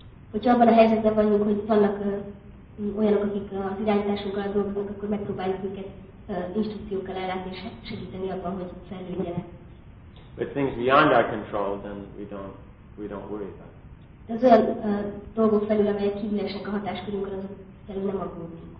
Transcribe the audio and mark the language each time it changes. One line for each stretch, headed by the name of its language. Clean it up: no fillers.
Hungarian: Hogyha abban a helyzetben vagyunk, hogy vannak olyanok, akik az irányításunk alatt dolgoznak, akkor megpróbáljuk őket instrukciókkal ellátni és segíteni abban, hogy fejlődjenek.
English: But things beyond our control, then we don't worry about.
Hungarian: De az olyan dolgok felül, amelyek kívülesek a hatáskörünkön, azok felül nem aggódunk.